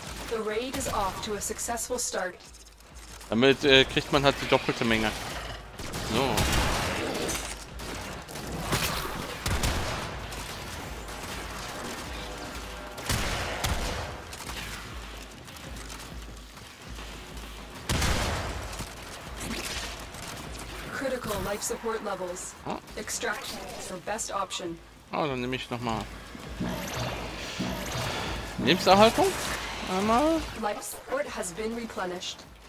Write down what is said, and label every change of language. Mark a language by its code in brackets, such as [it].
[en] The raid is off to a successful start. [de] Damit kriegt man halt die doppelte Menge. So. [en] Critical life support levels. Oh. Extraction is your best option. [de] Oh, dann nehme ich noch mal Lebenserhaltung. Einmal. [en] Life support has been replenished.